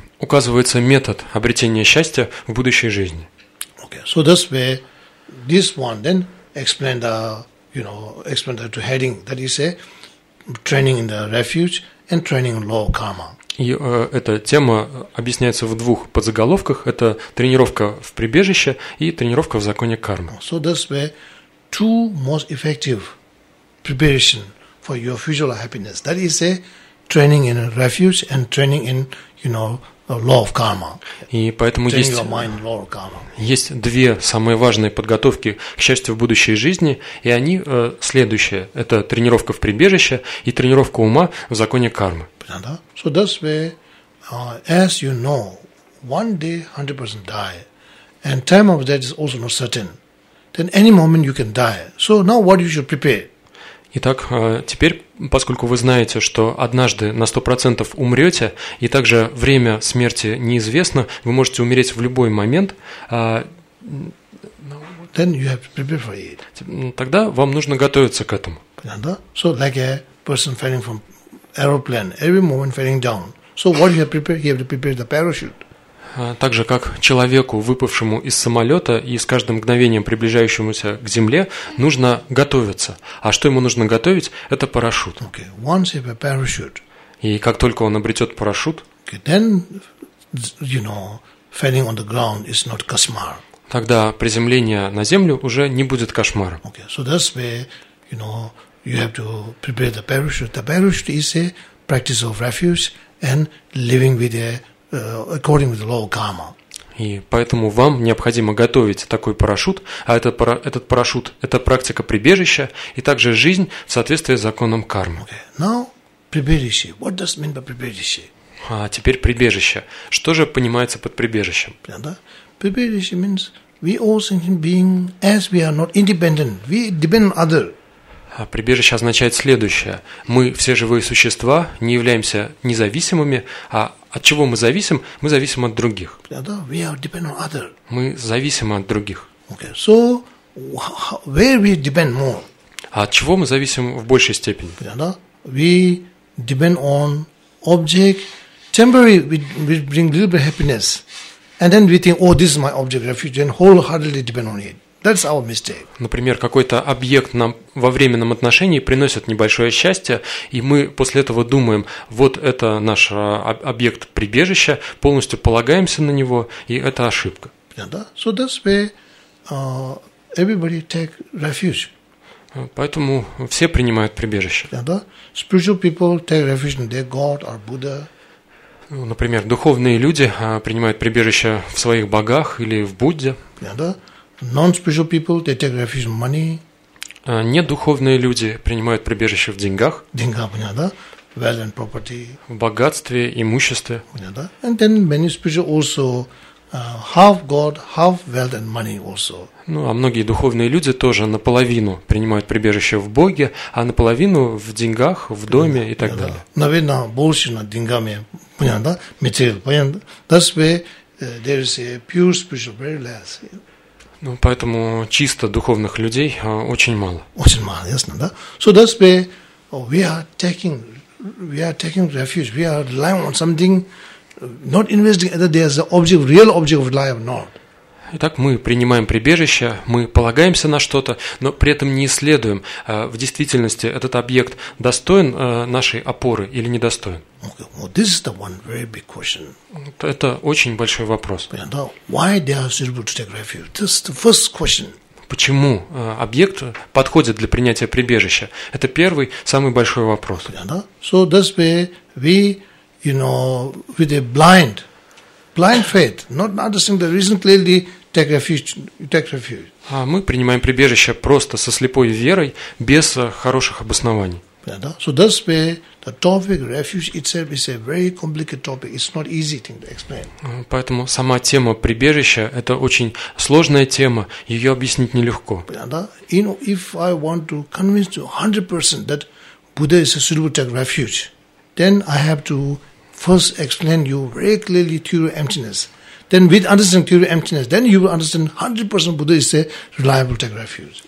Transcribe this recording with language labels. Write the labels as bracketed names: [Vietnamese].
[Russian] Указывается метод обретения счастья в будущей жизни. [English] Okay, so that's where this one then explained the, you know, explained the heading that is a training in the refuge and training in law karma. [Russian] И эта тема объясняется в двух подзаголовках. Это тренировка в прибежище и тренировка в законе кармы. [English] So that's where two most effective preparation for your future happiness. That is a training in a refuge and training in, you know, law of karma. [Russian] И поэтому есть, [English] your mind, law of karma. [Russian] Есть две самые важные подготовки к счастью в будущей жизни, и они следующие. Это тренировка в прибежище и тренировка ума в законе кармы. Понятно? [English] So that's where, as you know, one day 100% die, and time of that is also not certain. Then any moment you can die. So now what you should prepare? [Russian] Итак, теперь, поскольку вы знаете, что однажды на 100% умрете, и также время смерти неизвестно, вы можете умереть в любой момент, [English] then you have to prepare for it. [Russian] Тогда вам нужно готовиться к этому. Понятно? [English] So like a person falling from aeroplane, every moment falling down. So what you have prepared? You have to prepare the parachute. [Russian] Так же, как человеку, выпавшему из самолета и с каждым мгновением приближающемуся к земле, нужно готовиться. А что ему нужно готовить? Это парашют. [English] Okay. Once you have a parachute, [Russian] и как только он обретет парашют, [English] okay, then, you know, falling on the ground is not [Russian] кошмар. Тогда приземление на землю уже не будет кошмаром. [English] Okay. So that's where, you know, you have to prepare the parachute. The parachute is a practice of refuge and living with a according to the law of karma. [Russian] И поэтому вам необходимо готовить такой парашют, а этот парашют – это практика прибежища и также жизнь в соответствии с законом кармы. [English] Okay. Now, прибежище. What does mean by прибежище? [Russian] А теперь прибежище. Что же понимается под прибежищем? [English] Прибежище means we all sentient being, as we are not independent, we depend on other. [Russian] А прибежище означает следующее. Мы все живые существа, не являемся независимыми, а от чего мы зависим? Мы зависим от других. [English] We are dependent on other. [Russian] Мы зависимы от других. [English] Okay. So, where we depend more? [Russian] А от чего мы зависим в большей степени? [English] We depend on object. Temporary we bring little bit of happiness. And then we think, oh, this is my object, refuge, and wholeheartedly depend on it. That's our mistake. [Russian] Например, какой-то объект нам во временном отношении приносит небольшое счастье, и мы после этого думаем, вот это наш объект прибежища, полностью полагаемся на него, и это ошибка. [English] So that's where everybody take refuge. [Russian] Поэтому все принимают прибежище. [English] Spiritual people take refuge in their God or Buddha. [Russian] Например, духовные люди принимают прибежище в своих богах или в Будде. [English] Non-spiritual people, they take refuge in money. [Russian] Недуховные люди принимают прибежище в деньгах. Деньгах, понятно? [English] Wealth and property. [Russian] В богатстве, имуществе. Понятно? [English] And then many spiritual also half God, half wealth and money also. [Russian] Ну, а многие духовные люди тоже наполовину принимают прибежище в Боге, а наполовину в деньгах, в доме и так далее. Наверное, больше над деньгами, понятно? Material, понятно? [English] That's why there is a pure spiritual very less. [Russian] Ну, поэтому чисто духовных людей очень мало. Очень мало, ясно, да? [English] So that's where we are taking refuge. We are relying on something, not investing that there is an object, real object of life, not. [Russian] Итак, мы принимаем прибежище, мы полагаемся на что-то, но при этом не исследуем, в действительности этот объект достоин нашей опоры или недостоин. [English] Okay, well, this is the one very big question. [Russian] Это очень большой вопрос. [English] Why they are suitable to take refuge? This is the first question. [Russian] Почему объект подходит для принятия прибежища? Это первый, самый большой вопрос. [English] So that's where we, you know, with a blind faith, not understanding the reason clearly, take refuge. [Russian] А мы принимаем прибежище просто со слепой верой, без хороших обоснований. [English] Yeah, so that's where the topic refuge itself is a very complicated topic. It's not easy thing to explain. [Russian] Поэтому сама тема прибежища – это очень сложная тема, ее объяснить нелегко. [English] You know, if I want to convince you 100% that Buddha is a suitable to take refuge, then I have to first explain you very clearly theory of emptiness. Then with understanding theory of emptiness, then you will understand 100% Buddha is a reliable take refuge.